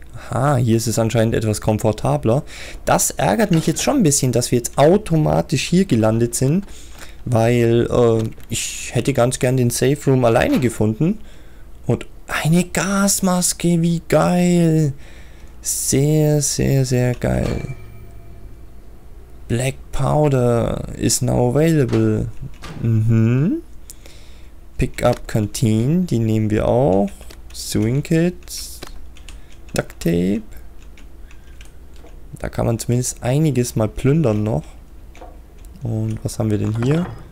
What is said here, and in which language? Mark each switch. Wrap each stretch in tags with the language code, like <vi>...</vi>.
<de>Aha, hier ist es anscheinend etwas komfortabler. Das ärgert mich jetzt schon ein bisschen, dass wir jetzt automatisch hier gelandet sind. Weil ich hätte ganz gern den Safe Room alleine gefunden. Und eine Gasmaske, wie geil. Sehr, sehr, sehr geil.</de> <en>Black Powder is now available. Mhm. Pick up Canteen,</en> <de>die nehmen wir auch.</de> <en>Sewing Kits. Duct Tape.</en> <de>Da kann man zumindest einiges mal plündern noch. Und was haben wir denn hier?</de>